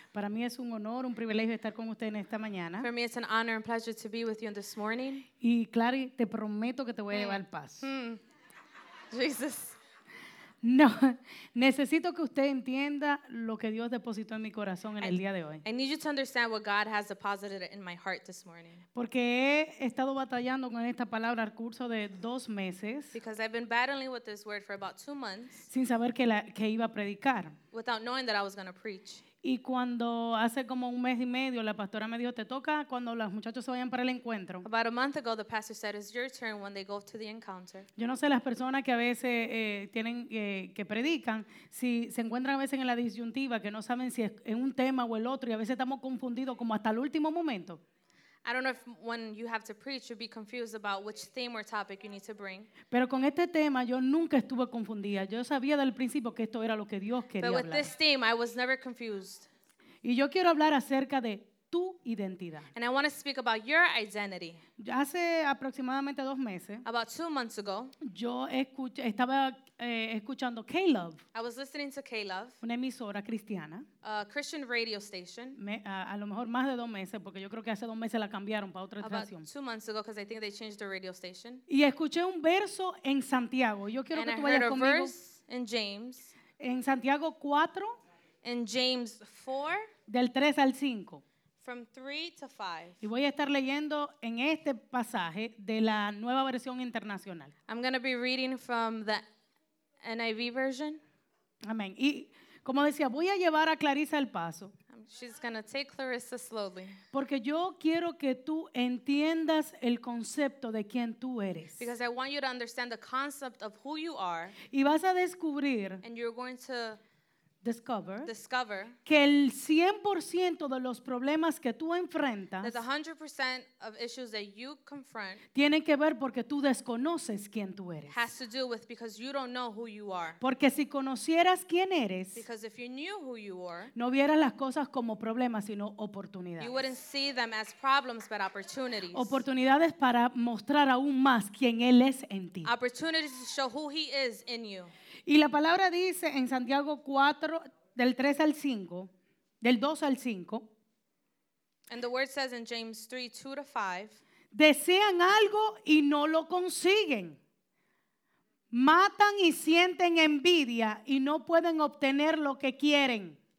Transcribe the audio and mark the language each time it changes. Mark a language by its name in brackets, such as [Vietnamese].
[Spanish] Para mí es un honor, un privilegio estar con ustedes esta mañana. [English] For me, it's an honor and pleasure to be with you this morning. [Spanish] Y Clary, te prometo que te voy a llevar paz. [English] Jesus. [Spanish] No, necesito que usted entienda lo que Dios depositó en mi corazón en el día de hoy. [English] I need you to understand what God has deposited in my heart this morning. [Spanish] Porque he estado batallando con esta palabra al curso de dos meses. [English] Because I've been battling with this word for about 2 months. [Spanish] Sin saber que iba a predicar. [English] Without knowing that I was going to preach. [Spanish] Y cuando hace como un mes y medio, la pastora me dijo, te toca cuando los muchachos se vayan para el encuentro. [English] About a month ago, the pastor said, it's your turn when they go to the encounter. [Spanish] Yo no sé las personas que a veces tienen que predican, si se encuentran a veces en la disyuntiva, que no saben si es en un tema o el otro, y a veces estamos confundidos como hasta el último momento. [English] I don't know if when you have to preach, you'll be confused about which theme or topic you need to bring. [Spanish] Pero con este tema, yo nunca estuve confundida. Yo sabía del principio que esto era lo que Dios quería hablar. [English] But with this theme, I was never confused. [Spanish] Y yo quiero hablar acerca de tu identidad. [English] And I want to speak about your identity. [Spanish] Hace aproximadamente dos meses. [English] About 2 months ago. [Spanish] Yo estaba escuchando K-Love. [English] I was listening to K-Love. [Spanish] Una emisora cristiana. [English] A Christian radio station. [Spanish] A lo mejor más de dos meses, porque yo creo que hace dos meses la cambiaron para otra estación. [English] About 2 months ago, because I think they changed the radio station. [Spanish] Y escuché un verso en Santiago. Yo quiero [English] and [Spanish] que tú vayas conmigo. [English] And I heard a verse in James. [Spanish] En Santiago 4. [English] In James 4. [Spanish] Del 3 al 5. [English] From 3 to 5. [Spanish] Y voy a estar leyendo en este pasaje de la Nueva Versión Internacional. [English] I'm going to be reading from the NIV version. [Spanish] Amén. Y como decía, voy a llevar a Clarissa al paso. [English] She's going to take Clarissa slowly. [Spanish] Porque yo quiero que tú entiendas el concepto de quién tú eres. [English] Because I want you to understand the concept of who you are. [Spanish] Y vas a descubrir. [English] And you're going to [Spanish] discover que el 100% de los problemas que tú enfrentas [English] that 100% of issues that you confront [Spanish] tienen que ver porque tú desconoces quién tú eres. [English] Has to do with because you don't know who you are. [Spanish] Porque si conocieras quién eres, [English] because if you knew who you were, [Spanish] no vieras las cosas como problemas sino oportunidades. [English] You wouldn't see them as problems but opportunities. [Spanish] Oportunidades para mostrar aún más quién él es en ti. [English] Opportunities to show who he is in you. [Spanish] Y la palabra dice en Santiago 4, del 3 al 5, del 2 al 5. [English] And the word says in James 3, 2 to 5. [Spanish] Desean algo y no lo consiguen. Matan y sienten envidia y no pueden obtener lo que quieren.